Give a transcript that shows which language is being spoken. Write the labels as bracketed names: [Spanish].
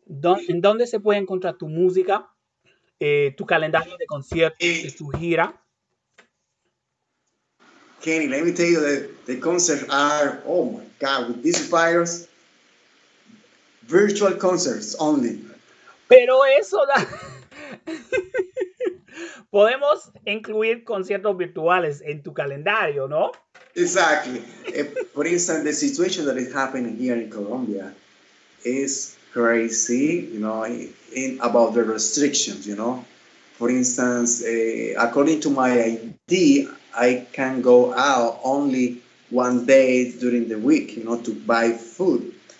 [Spanish] ¿En dónde se puede encontrar tu música, tu calendario de conciertos, y tu gira? [English] Kenny, let me tell you that the concerts are, oh my God, with this virus, virtual concerts only. [Spanish] Pero eso da... Podemos incluir conciertos virtuales en tu calendario, ¿no? [English] Exactly. For instance, the situation that is happening here in Colombia is crazy, you know, in about the restrictions, you know. For instance, according to my ID, I can go out only one day during the week, you know, to buy food.